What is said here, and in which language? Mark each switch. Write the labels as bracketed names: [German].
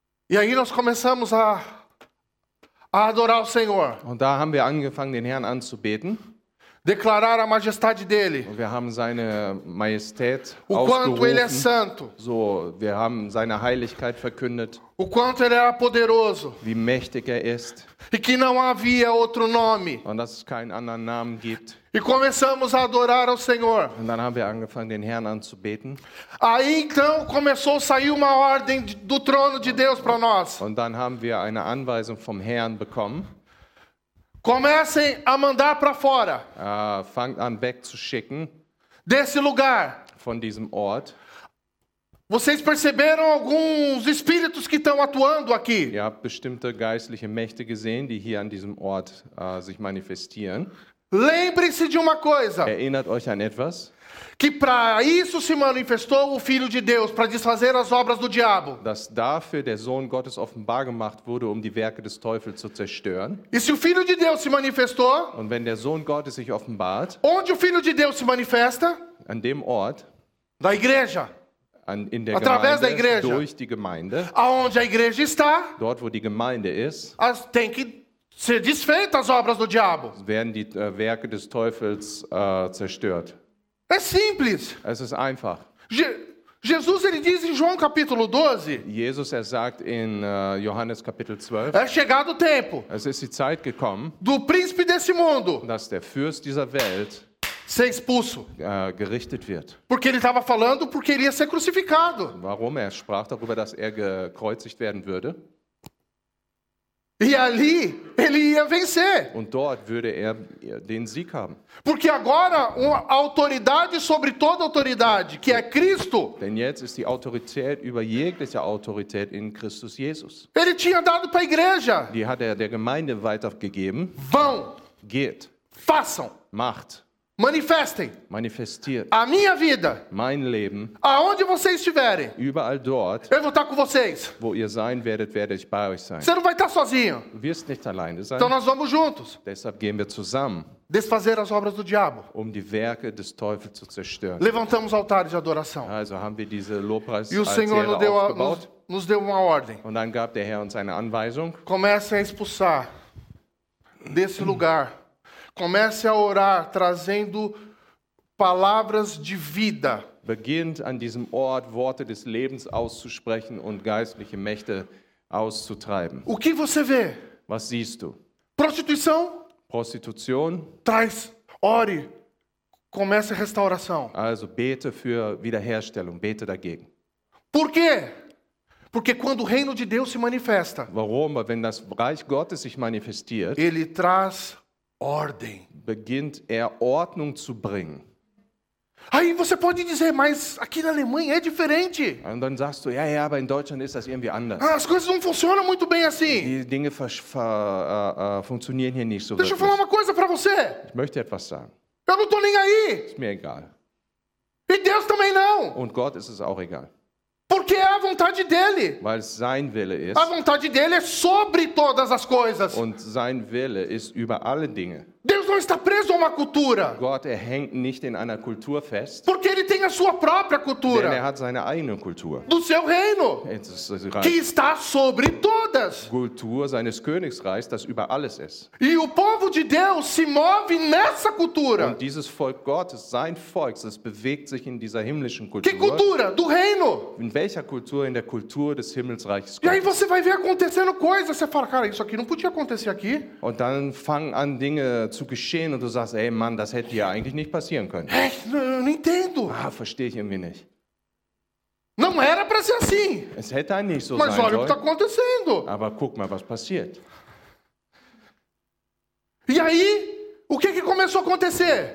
[Portuguese] E aí nós começamos a adorar o Senhor. [German] Und da haben wir angefangen, den Herrn anzubeten. [Portuguese] Declarar a majestade dele. [German] Und wir haben seine Majestät [Portuguese] o [German] ausgerufen. [Portuguese] Quanto ele é santo. [German] So, wir haben seine Heiligkeit verkündet. [Portuguese] O quanto ele era poderoso. [German] Wie mächtig er ist. [Portuguese] E que não havia outro nome. [German] Und dass es keinen anderen Namen gibt. [Portuguese] E começamos a adorar ao Senhor. [German] Und dann haben wir angefangen, den Herrn anzubeten. [Portuguese] Aí então começou a sair uma ordem do trono de Deus para nós. [German] Und dann haben wir eine Anweisung vom Herrn bekommen. [Portuguese] Comecem a mandar para fora. [German] Fangt an, wegzuschicken. [Portuguese] Desse lugar. [German] Von diesem Ort. [Portuguese] Vocês perceberam alguns espíritos que estão atuando aqui? [German] Ihr habt bestimmte geistliche Mächte gesehen, die hier an diesem Ort sich manifestieren. [Portuguese] Lembre-se de uma coisa. [German] Erinnert euch an etwas? [Portuguese] Que para isso se manifestou o Filho de Deus, para desfazer as obras do diabo. [German] Dass dafür der Sohn Gottes offenbar gemacht wurde, um die Werke des Teufels zu zerstören. [Portuguese] E se o Filho de Deus se manifestou? [German] Und wenn der Sohn Gottes sich offenbart? [Portuguese] Onde o Filho de Deus se manifesta? [German] An dem Ort? [Portuguese] Da igreja. [German] In der [Portuguese] através [German] Gemeinde, [Portuguese] da igreja. [German] Durch die Gemeinde. [Portuguese] Aonde a igreja está? [German] Dort wo die Gemeinde ist. [Portuguese] As tem que ser desfeitas as obras do diabo. [German] Werden die Werke des Teufels zerstört. [Portuguese] É simples. [German] Es ist einfach. [Portuguese] Jesus ele diz em João capítulo 12. [German] Jesus er sagt in Johannes Kapitel 12. [Portuguese] É chegado o tempo. [German] Es ist die Zeit gekommen. [Portuguese] Do príncipe desse mundo. [German] Dass der Fürst dieser Welt [Portuguese] ser expulso. [German] Gerichtet wird. [Portuguese] Porque ele estava falando porque ele ia ser crucificado. [German] Warum er sprach darüber, dass er gekreuzigt werden würde. [Portuguese] E ali ele ia vencer. [German] Und dort würde er den Sieg haben. [Portuguese] Porque agora uma autoridade sobre toda autoridade, que é Cristo. [German] Denn jetzt ist die Autorität über jegliche Autorität in Christus Jesus. [Portuguese] Ele tinha dado para a igreja. [German] Die hat er der Gemeinde weitergegeben. [Portuguese] Vão. [German] Geht. [Portuguese] Façam. [German] Macht. [Portuguese] Manifestem. [German] Manifestiert. [Portuguese] A minha vida. [German] Mein Leben. [Portuguese] Aonde vocês estiverem. [German] Überall dort. [Portuguese] Eu vou estar com vocês. [German] Wo ihr sein werdet, werde ich bei euch sein. [Portuguese] Você não vai estar sozinho. [German] Du wirst nicht alleine sein. [Portuguese] Então nós vamos juntos. [German] Deshalb gehen wir zusammen. [Portuguese] Desfazer as obras do diabo. [German] Um die Werke des Teufels zu zerstören. [Portuguese] Levantamos altar de adoração. [German] Also haben wir diese Lobpreis. [Portuguese] E o Senhor nos deu uma ordem. [German] Und dann gab der Herr uns eine Anweisung. [Portuguese] Comece a expulsar desse lugar. Comece a orar trazendo palavras de vida. [German] Beginnt an diesem Ort Worte des Lebens auszusprechen und geistliche Mächte auszutreiben. [Portuguese] O que você vê? [German] Was siehst du? [Portuguese] Prostituição? [German] Prostitution? [Portuguese] Traz, ore. Comece a restauração. [German] Also bete für Wiederherstellung, bete dagegen. [Portuguese] Por quê? Porque quando o reino de Deus se manifesta. [German] Warum? Wenn das Reich Gottes sich manifestiert. [Portuguese] Ele traz ordem. [German] Beginnt er Ordnung zu bringen. [Portuguese] Aí você pode dizer, mas aqui na Alemanha é diferente. [German] Und dann sagst du, ja, ja, aber in Deutschland ist das irgendwie anders. [Portuguese] As coisas não funcionam muito bem assim. [German] Die Dinge funktionieren hier nicht so. [Portuguese] Deixa Eu falar uma coisa para você. [German] Ich möchte etwas sagen. [Portuguese] Eu não tô nem aí. [German] Ist mir egal. [Portuguese] E Deus também não. [German] Und Gott ist es auch egal. [Portuguese] Porque é a vontade dele. [German] Weil sein Wille ist. [Portuguese] A vontade dele é sobre todas as coisas. [German] Und sein Wille ist über alle Dinge. [Portuguese] Deus não está preso a uma cultura. [German] Gott, er hängt nicht in einer Kultur fest. [Portuguese] Porque ele tem a sua própria cultura. [German] Denn er hat seine eigene Kultur. [Portuguese] Do seu reino. [German] Reich, [Portuguese] que está sobre todas. [German] Kultur seines Königreichs, das über alles ist. [Portuguese] E o povo de Deus se move nessa cultura. [German] Und dieses Volk Gottes, sein Volk, das bewegt sich in dieser himmlischen Kultur. [Portuguese] Que cultura? Do reino. [German] In welcher Kultur? In der Kultur des Himmelsreiches. [Portuguese] E aí você vai ver acontecendo coisas. Você fala, cara, isso aqui não podia acontecer aqui. [German] Und dann fangen an Dinge zu geschehen und du sagst, ey Mann, das hätte ja eigentlich nicht passieren können. Ich [Portuguese] entendo. [German] Ah, verstehe ich irgendwie nicht. [Portuguese] Não era para ser assim. [German] Es hätte nicht so [Portuguese] Mas [German] sein sollen. [Portuguese] Mas olha o que está acontecendo. [German] Aber guck mal, was passiert. [Portuguese] E aí, o que começou a acontecer?